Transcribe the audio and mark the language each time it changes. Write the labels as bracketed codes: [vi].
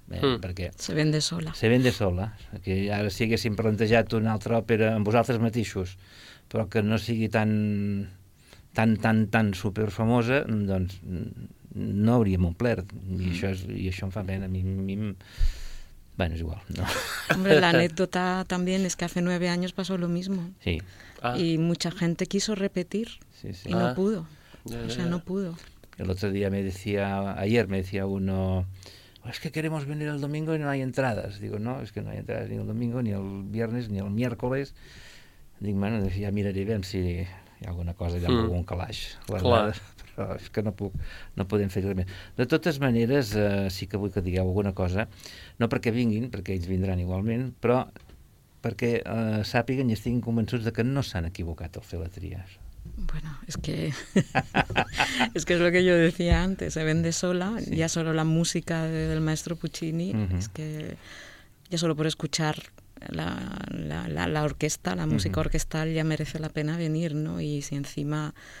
[ca] perquè [es] se vende sola. Se vende sola. [ca] Que ara si haguéssim plantejat una altra òpera amb vosaltres mateixos, però que no sigui tan superfamosa, doncs no hauríem omplert. I això em fa pena. A mi bueno, és igual. No. [es] Hombre, la anécdota también es que hace 9 años pasó lo mismo. Sí. Y mucha gente quiso repetir. Sí, sí. Y no pudo. No pudo. El otro día ayer me decía uno, es que queremos venir el domingo y no hay entradas. Digo, no, es que no hay entradas ni el domingo, ni el viernes, ni el miércoles. Digo, bueno, ya miraré bien si hay alguna cosa, hay algún calaix. Claro. [ca] Però és que no podem fer res més. De totes maneres, sí que vull que digueu alguna cosa, no perquè vinguin, perquè ells vindran igualment, però perquè sàpiguen i estiguin convençuts de que no s'han equivocat al fer la tria. [es] Bueno, es que es que es lo que yo decía antes, se vende sola, sí. Ya solo la música del maestro Puccini, es que ya solo por escuchar la orquesta, la música orquestal, ya merece la pena venir, ¿no? Y si encima...